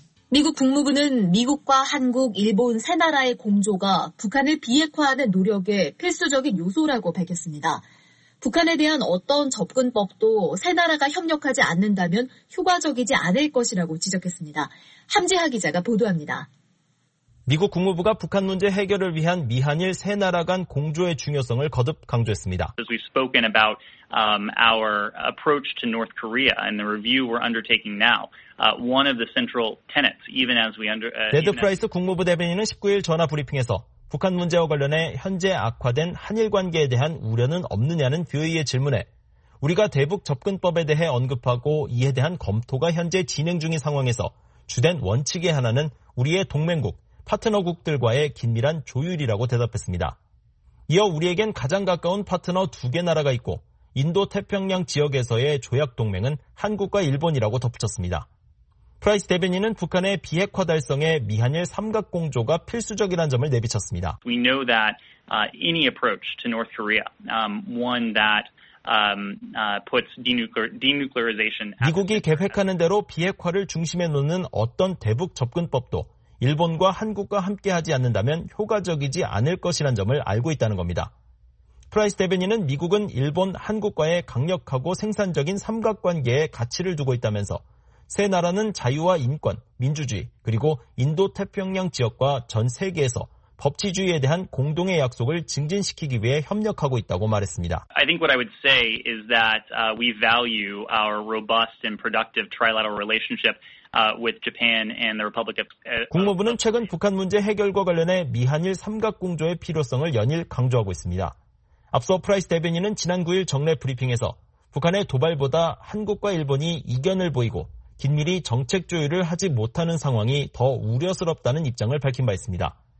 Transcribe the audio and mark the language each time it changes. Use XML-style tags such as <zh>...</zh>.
<ko>미국 국무부는 미국과 한국, 일본 세 나라의 공조가 북한을 비핵화하는 노력의 필수적인 요소라고 밝혔습니다. 북한에 대한 어떤 접근법도 세 나라가 협력하지 않는다면 효과적이지 않을 것이라고 지적했습니다. 함재하 기자가 보도합니다. 미국 국무부가 북한 문제 해결을 위한 미한일 세 나라 간 공조의 중요성을 거듭 강조했습니다.</ko> <en>As we've spoken about our approach to North Korea and the review we're undertaking now, one of the central tenets, even as we under.</en> <ko>데드 프라이스 국무부 대변인은 19일 전화 브리핑에서 북한 문제와 관련해 현재 악화된 한일 관계에 대한 우려는 없느냐는 VOA의 질문에 우리가 대북 접근법에 대해 언급하고 이에 대한 검토가 현재 진행 중인 상황에서 주된 원칙의 하나는 우리의 동맹국, 파트너국들과의 긴밀한 조율이라고 대답했습니다. 이어 우리에겐 가장 가까운 파트너 두 개 나라가 있고 인도태평양 지역에서의 조약 동맹은 한국과 일본이라고 덧붙였습니다. 프라이스 대변인은 북한의 비핵화 달성에 미한일 삼각 공조가 필수적이라는 점을 내비쳤습니다.</ko> <en>We know that any approach to North Korea, one that puts denuclearization.</en> <ko>미국이 계획하는 대로 비핵화를 중심에 놓는 어떤 대북 접근법도 일본과 한국과 함께하지 않는다면 효과적이지 않을 것이란 점을 알고 있다는 겁니다. 프라이스 대변인은 미국은 일본, 한국과의 강력하고 생산적인 삼각관계에 가치를 두고 있다면서 세 나라는 자유와 인권, 민주주의, 그리고 인도태평양 지역과 전 세계에서 법치주의에 대한 공동의 약속을 증진시키기 위해 협력하고 있다고 말했습니다.</ko> <en>I think what I would say is that we value our robust and productive trilateral relationship with Japan and the Republic of.</en> <ko>국무부는 최근 북한 문제 해결과 관련해 미한일 삼각공조의 필요성을 연일 강조하고 있습니다. 앞서 프라이스 대변인은 지난 9일 정례 브리핑에서 북한의 도발보다 한국과 일본이 이견을 보이고 긴밀히 정책 조율을 하지 못하는 상황이 더 우려스럽다는 입장을 밝힌 바 있습니다.</ko>